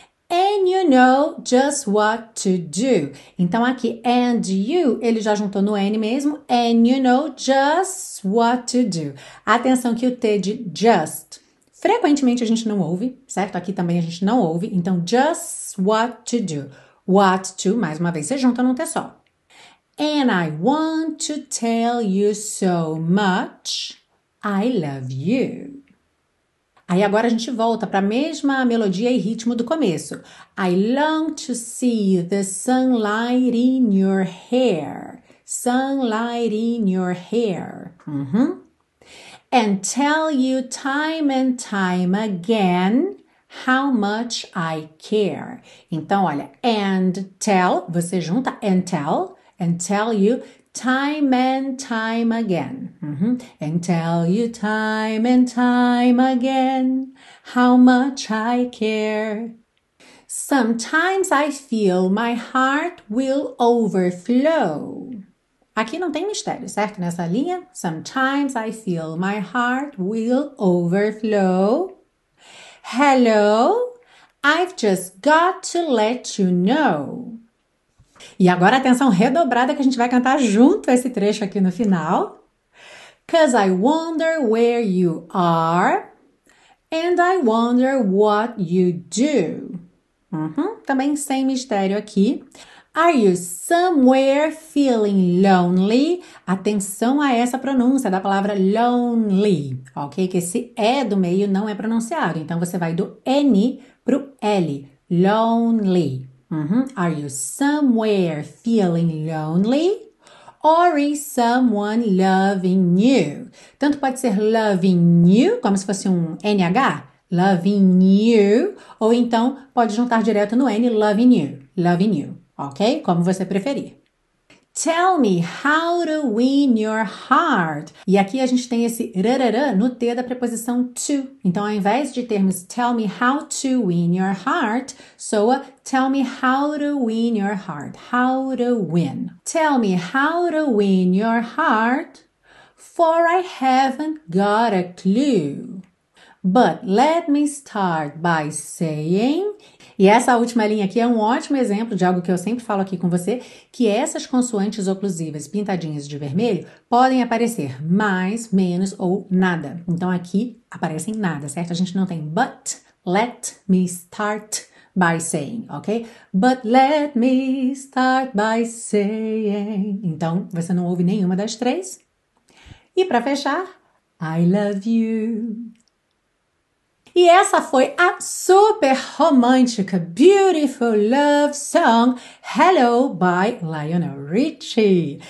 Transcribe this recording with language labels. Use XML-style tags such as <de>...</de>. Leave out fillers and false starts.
<en>And you know just what to do.</en> <pt>Então, aqui,</pt> <en>and you,</en> <pt>ele já juntou no N mesmo.</pt> <en>And you know just what to do.</en> <pt>Atenção que o T de just, frequentemente a gente não ouve, certo? Aqui também a gente não ouve. Então,</pt> <en>just what to do. What to,</en> <pt>mais uma vez, você junta num T só.</pt> <en>And I want to tell you so much, I love you.</en> <pt>Aí agora a gente volta para a mesma melodia e ritmo do começo.</pt> <en>I long to see the sunlight in your hair. sunlight in your hair. Mm-hmm. And tell you time and time again how much I care.</en> <pt>Então, olha,</pt> <en>and tell,</en> <pt>você junta</pt> <en>and tell you time and time again. Mm-hmm. And tell you time and time again how much I care. Sometimes I feel my heart will overflow.</en> <pt>Aqui não tem mistério, certo? Nessa linha.</pt> <en>Sometimes I feel my heart will overflow. Hello, I've just got to let you know.</en> <pt>E agora atenção redobrada que a gente vai cantar junto esse trecho aqui no final.</pt> <en>'Cause I wonder where you are and I wonder what you do.</en> <pt>Uhum, também sem mistério aqui.</pt> <en>Are you somewhere feeling lonely?</en> <pt>Atenção a essa pronúncia da palavra lonely, ok? Que esse E do meio não é pronunciado. Então, você vai do N pro L, lonely. Uhum.</pt> <en>Are you somewhere feeling lonely? Or is someone loving you?</en> <pt>Tanto pode ser</pt> <en>loving you,</en> <pt>como se fosse um NH, loving you, ou então pode juntar direto no N, loving you, ok? Como você preferir.</pt> <en>Tell me how to win your heart.</en> <pt>E aqui a gente tem esse rarará no T da preposição to. Então, ao invés de termos</pt> <en>tell me how to win your heart,</en> <pt>soa tell me how to win your heart.</pt> <en>How to win. Tell me how to win your heart, for I haven't got a clue. But let me start by saying...</en> <pt>E essa última linha aqui é um ótimo exemplo de algo que eu sempre falo aqui com você, que essas consoantes oclusivas pintadinhas de vermelho podem aparecer mais, menos ou nada. Então, aqui aparecem nada, certo? A gente não tem</pt> <en>but, let me start by saying,</en> <pt>ok?</pt> <en>But let me start by saying...</en> <pt>Então, você não ouve nenhuma das três. E pra fechar,</pt> <en>I love you...</en> <pt>E essa foi a super romântica,</pt> <en>beautiful love song,</en> <pt>Hello, by Lionel Richie.</pt>